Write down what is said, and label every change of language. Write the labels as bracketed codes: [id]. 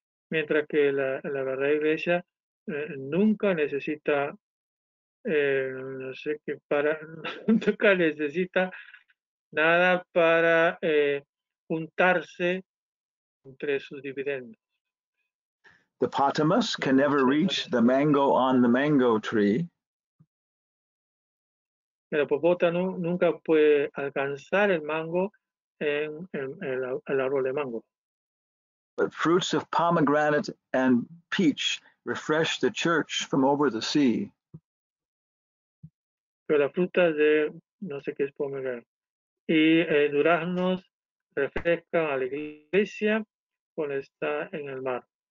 [es] Mientras que la verdadera iglesia nunca necesita nunca necesita nada para juntarse entre sus dividendos. [en] The potamus can never reach the mango on the mango tree. [es] El hipopótamo nunca puede alcanzar el mango en el árbol de mango. [en] But fruits of pomegranate and peach refresh the church from over the sea. [es] Pero las frutas de no sé qué es pomegranate y duraznos refrescan a la iglesia cuando está en el mar.